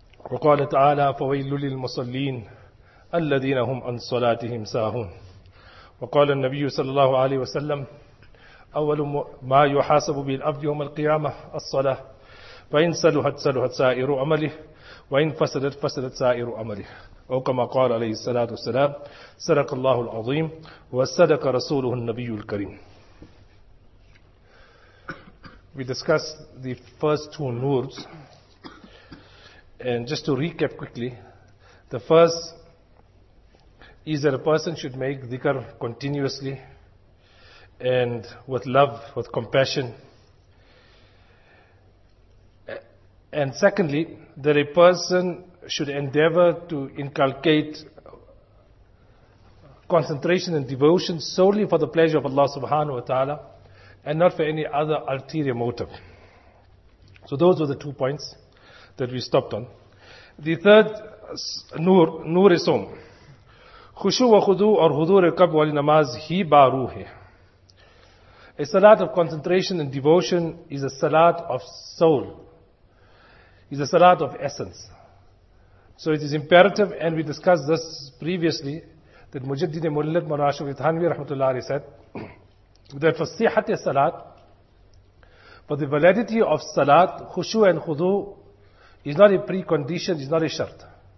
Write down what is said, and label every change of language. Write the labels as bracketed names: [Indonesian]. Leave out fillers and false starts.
[Arabic] وقال تعالى فويل للمصلين الذين هم عن صلاتهم ساهون، وقال النبي صلى الله عليه وسلم أول ما يحاسب به العبد يوم القيامة الصلاة، فإن سلحت سلحت سائر عمله وإن فسدت فسدت سائر عمله، وكما قال عليه الصلاة والسلام صدق الله العظيم وصدق رسوله النبي الكريم. [English] We discussed the first two nurs, and just to recap quickly, the first is that a person should make dhikr continuously and with love, with compassion. And secondly, that a person should endeavor to inculcate concentration and devotion solely for the pleasure of Allah subhanahu wa ta'ala and not for any other ulterior motive. So those were the two points that we stopped on. The third nur is Om. [Urdu] خشوع وخضوع اور حضور قبل والی نماز ہی باروح ہے. [English] A salat of concentration and devotion is a salat of soul, is a salat of essence. So it is imperative, and we discussed this previously, that [Urdu] مجدد ملت مولانا اشرف تھانوی رحمۃ اللہ علیہ [English] said that for sihat salat, for the validity of salat, خشوع and خضوع is not a precondition, is not a shart.